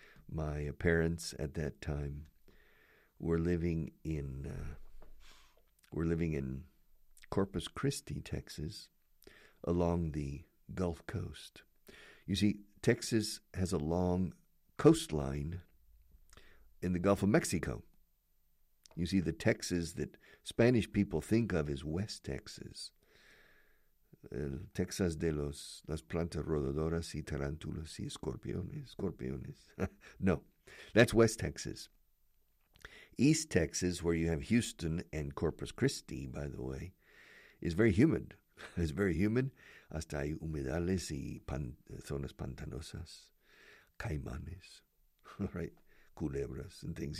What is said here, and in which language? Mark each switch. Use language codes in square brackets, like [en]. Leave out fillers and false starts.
[en] My parents at that time were living in Corpus Christi, Texas, along the Gulf Coast. You see, Texas has a long coastline in the Gulf of Mexico. You see, the Texas that Spanish people think of is West Texas. [es] Texas de las plantas rodadoras y tarántulas y escorpiones. [en] No, that's West Texas. East Texas, where you have Houston and Corpus Christi, by the way, is very humid. It's very humid. [es] Hasta hay humedales y zonas pantanosas. [en] Caimanes, right? Culebras and things.